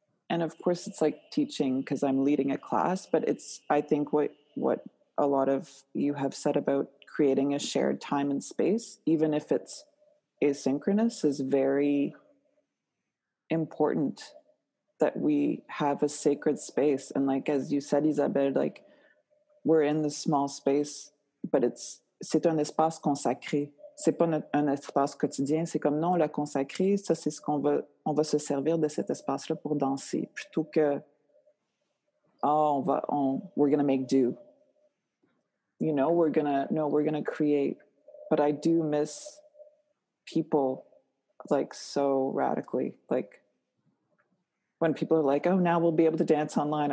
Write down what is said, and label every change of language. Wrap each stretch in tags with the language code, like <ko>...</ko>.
<en>And of course it's like teaching because I'm leading a class, but it's, I think what a lot of you have said about creating a shared time and space, even if it's asynchronous, is very important that we have a sacred space. And like, as you said, Isabelle, like we're in this small space, but it's,</en> <fr>c'est un espace consacré. C'est pas un espace quotidien. C'est comme, non, on l'a consacré. Ça, c'est ce qu'on veut. On va se servir de cet espace-là pour danser. Plutôt que,</fr> <en>oh, we're going to make do. You know, we're going to create. But I do miss people like so radically. Like when people are like, oh, now we'll be able to dance online.</en>